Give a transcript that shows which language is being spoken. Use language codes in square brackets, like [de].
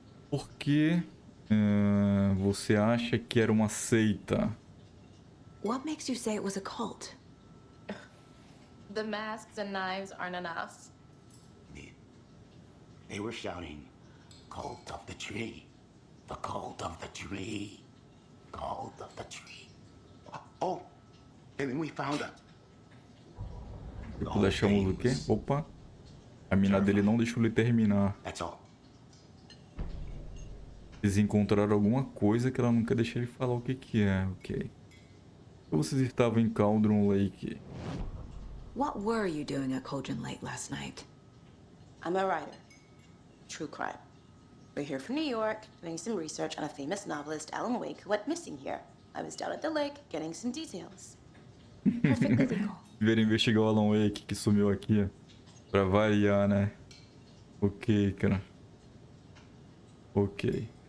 [pt] Por que você acha que era uma seita? [en] What makes you say it was a cult? The masks and knives aren't enough. They were shouting, cult of the tree. The cult of the tree. Cult of the tree. Oh! [pt] E aí, deixamos o quê? Opa! A mina dele não deixou ele terminar. Eles encontraram alguma coisa que ela nunca deixou ele falar o que que é, ok. Vocês estavam em Cauldron Lake. O que você estava fazendo em Cauldron Lake [en] last night? [pt] Eu sou um writer. [en] True crime. We're here from New York, doing some research on a famous novelist, Alan Wake, who went missing here. I was down at the lake, getting some details. [pt] Vieram investigar o Alan Wake que sumiu aqui. Pra variar, né? Ok, cara. Ok.